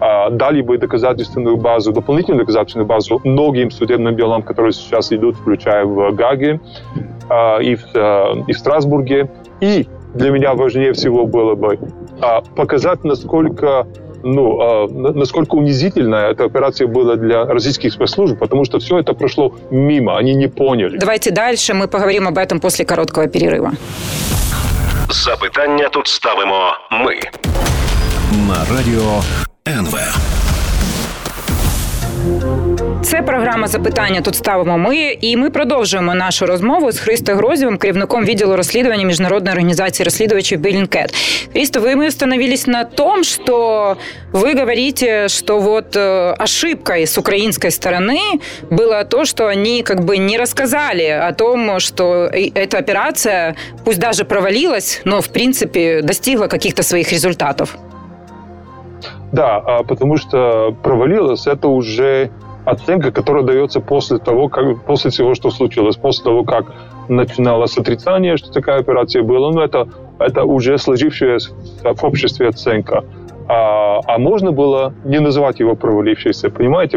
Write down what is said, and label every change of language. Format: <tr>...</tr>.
<ru>дали бы доказательственную базу, дополнительную доказательственную базу многим судебным делам, которые сейчас идут, включая в Гаге и в Страсбурге. И для меня важнее всего было бы показать, насколько, ну, насколько унизительная эта операция была для российских спецслужб, потому что все это прошло мимо, они не поняли. Давайте дальше, мы поговорим об этом после короткого перерыва.</ru> <uk>Запитання тут ставимо ми. На радіо НВ. Це програма «Запитання тут ставимо ми», і ми продовжуємо нашу розмову з Христою Грозєвим, керівником відділу розслідування Міжнародної організації розслідувачів «Bellingcat». Христо, ви ми встановились на том, що ви говорите, що вот ошибка з української сторони була то, що вони</uk> <ru>как бы</ru> <uk>не розказали о том, що ця операція,</uk> <ru>пусть даже провалилась, но</ru> <uk>в принципі</uk> <ru>достигла каких-то</ru> <uk>своїх результатів.</uk> <ru>Да, потому что провалилось, это уже оценка, которая дается после того, как после всего, что случилось, после того, как начиналось отрицание, что такая операция была, но это уже сложившаяся в обществе оценка. А можно было не называть его провалившейся, понимаете?</ru>